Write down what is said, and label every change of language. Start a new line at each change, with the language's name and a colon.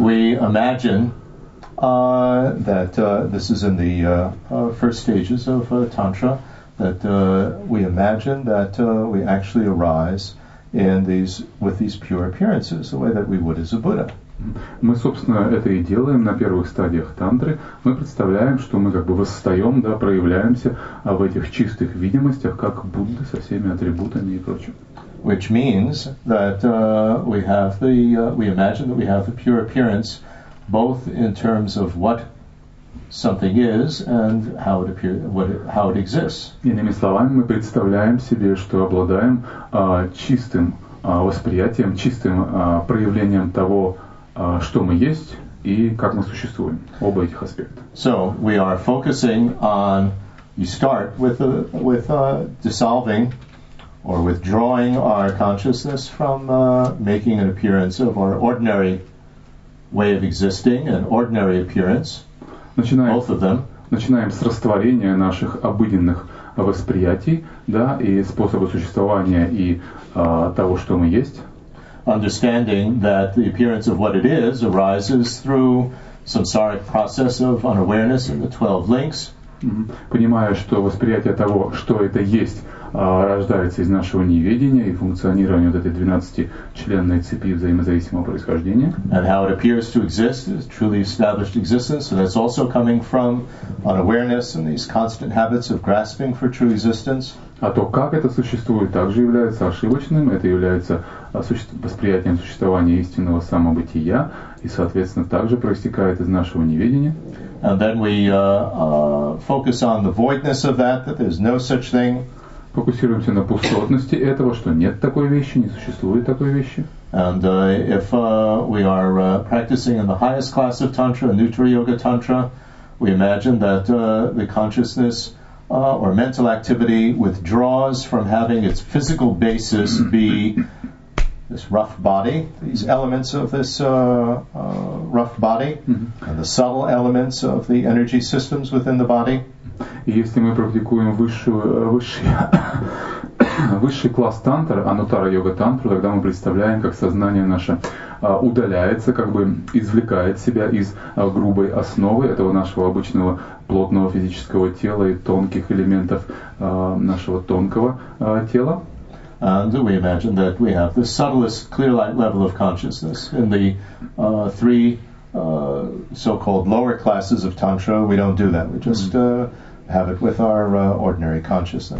English: We imagine that this is in the first stages of tantra, that we imagine that we actually arise in these with these pure appearances, the way that we would as a Buddha.
Russian: Мы, собственно, это и делаем на первых стадиях тантры. Мы представляем, что мы как бы восстаем, да, проявляемся в этих чистых видимостях, как Будда со всеми атрибутами и прочим.
English: Which means that we have the we imagine that we have the pure appearance both in terms of what something is and how it appears, how it exists.
Russian: Иными словами, мы представляем себе, что обладаем чистым восприятием, чистым проявлением того, что мы есть и как мы существуем. Оба этих аспекта.
English: So we are focusing on. You start with dissolving or withdrawing our consciousness from making an appearance of our ordinary way of existing, an ordinary appearance. Both of them.
Russian: Начинаем с растворения наших обыденных восприятий, да, и способа существования и того, что мы есть.
English: Understanding that the appearance of what it is arises through samsaric process of unawareness in the 12 links.
Russian: Понимая, что восприятие того, что это есть, рождается из нашего неведения и функционирования вот этой 12-членной цепи взаимозависимого происхождения.
English: And how it appears to exist, truly established existence, and that's also coming from unawareness and these constant habits of grasping for true existence.
Russian: А то, как это существует, также является ошибочным. Это является восприятием существования истинного самобытия и, соответственно, также проистекает из нашего неведения.
English: And then we focus on the voidness of that, that there's no such thing.
Russian: Фокусируемся на пустотности этого, что нет такой вещи, не существует такой вещи.
English: And if we are practicing in the highest class of tantra, neutra yoga tantra, we imagine that the consciousness or mental activity withdraws from having its physical basis be this rough body, these elements of this rough body, and the subtle elements of the energy systems within the body.
Russian: Если мы практикуем высший класс тантр, анутара-йога-тантру, тогда мы представляем, как сознание наше удаляется, как бы извлекает себя из грубой основы этого нашего обычного плотного физического тела и тонких элементов нашего тонкого тела.
English: And we imagine that we have the subtlest clear light level of consciousness in the three so-called lower classes of tantra. We don't do that. We just have it with our ordinary consciousness.